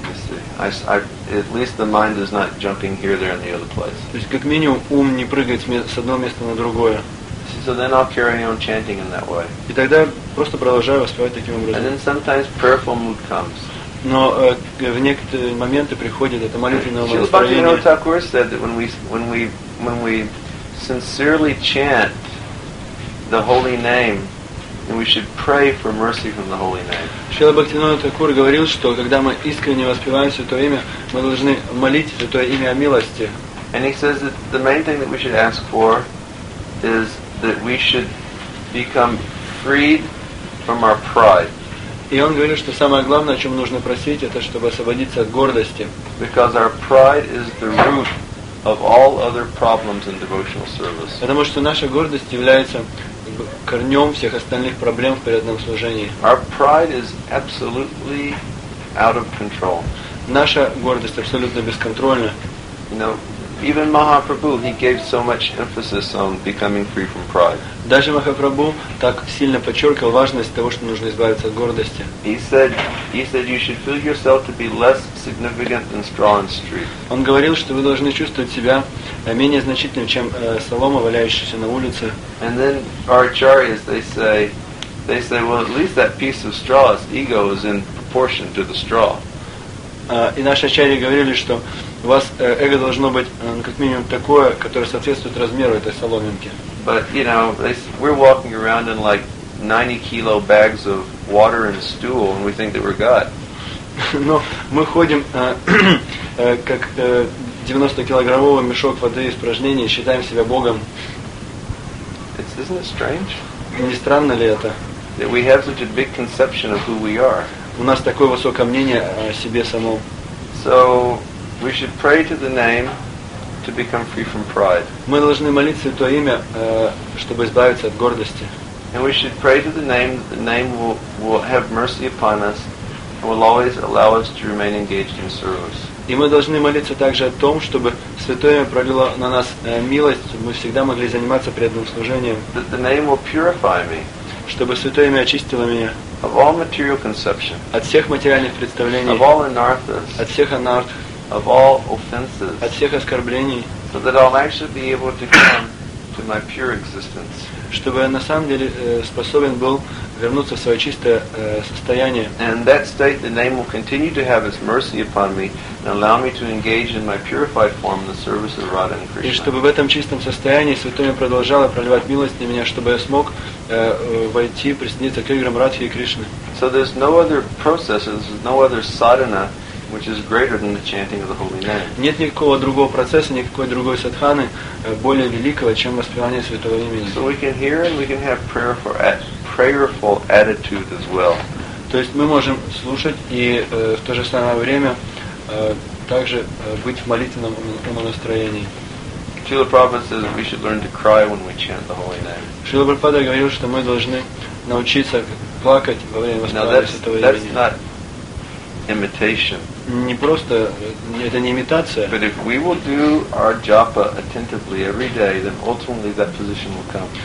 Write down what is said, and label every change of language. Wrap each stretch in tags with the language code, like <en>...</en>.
<en>At least the mind is not jumping here, there, and the other place.</en> <ru>То есть как минимум ум не прыгает с одного места на другое.</ru> <en>So then I'll carry on chanting in that way.</en> <ru>И тогда просто продолжаю воспевать таким образом.</ru> <en>And then sometimes prayerful mood comes.</en> <ru>Но в некоторые моменты приходит это молитвенное настроение.</ru> <en>Shri Thakur said that when we sincerely chant the holy name, then we should pray for mercy from the holy name.</en> <ru>Шрила Бхактивинода Такур говорил, что когда мы искренне воспеваем Святое Имя, мы должны молить Святое Имя о милости.</ru> <en>And he says that the main thing that we should ask for is that we should become freed from our pride.</en> <ru>И он говорит, что самое главное, о чем нужно просить, это чтобы освободиться от гордости.</ru> <en>Because our pride is the root of all other problems in devotional service.</en> <ru>Потому что наша гордость является корнем всех остальных проблем в преданном служении.</ru> <en>Our pride is absolutely out of control.</en> <ru>Наша гордость абсолютно бесконтрольна.</ru> <en>You know, even Mahaprabhu, he gave so much emphasis on becoming free from pride.</en> <ru>Даже Махапрабху так сильно подчеркивал важность того, что нужно избавиться от гордости.</ru> <en>He said you should feel yourself to be less significant than straw in the street.</en> <ru>Он говорил, что вы должны чувствовать себя менее значительным, чем солома, валяющаяся на улице.</ru> <en>And then our acharyas, they say, well, at least that piece of straw, its ego, is in proportion to the straw.</en> <ru>И наши ачарьи говорили, что у вас эго должно быть как минимум такое, которое соответствует размеру этой соломинки.</ru> <en>But you know, we're walking around in like 90 kilo bags of water and stool, and we think that we're God.</en> <ru>Но мы ходим как 90-килограммовый мешок воды и испражнений, считаем себя Богом.</ru> <en>It's Isn't it strange?</en> <ru>Не странно ли это?</ru> <en>That we have such a big conception of who we are.</en> <ru>У нас такое высокое мнение о себе самом.</ru> <en>So we should pray to the name to become free from pride.</en> <ru>Мы должны молиться в то имя, чтобы избавиться от гордости.</ru> <en>And we should pray to the name will have mercy upon us and will always allow us to remain engaged in service.</en> <ru>И мы должны молиться также о том, чтобы Святое Имя пролило на нас милость, чтобы мы всегда могли заниматься преданным служением.</ru> <en>That the name will purify me.</en> <ru>Чтобы Святое Имя очистило меня.</ru> <en>Of all material conception.</en> <ru>От всех материальных представлений.</ru> <en>Of all anarthas.</en> <ru>От всех анарх.</ru> <en>Of all offenses.</en> <ru>От всех оскорблений.</ru> <en>So that I'll actually be able to come to my pure existence.</en> <ru>Чтобы я на самом деле способен был вернуться в свое чистое состояние.</ru> <en>And that state the name will continue to have its mercy upon me and allow me to engage in my purified form in the service of Radha and Krishna.</en> <ru>И чтобы в этом чистом состоянии Святое Имя продолжало проливать милость на меня, чтобы я смог войти, присоединиться к играм Радхи и Кришны.</ru> <en>So there's no other process, there's no other sadhana which is greater than the chanting of the holy name.</en> <ru>Нет никакого другого процесса, никакой другой садханы более великого, чем воспевание Святого Имени.</ru> <en>So we can hear and we can have prayer for it. Prayerful attitude as well.</en> <ru>То есть мы можем слушать и в то же самое время также быть в молитвенном настроении.</ru> <en>Srila Prabhupada says we should learn to cry when we chant the holy name.</en> <ru>Srila Prabhupada говорил, что мы должны научиться плакать во время воспевания Святого Имени.</ru> <en>That's not imitation.</en> <ru>Не просто это не имитация.</ru> <en>But if we will do our japa attentively every day, then ultimately that position will come.</en>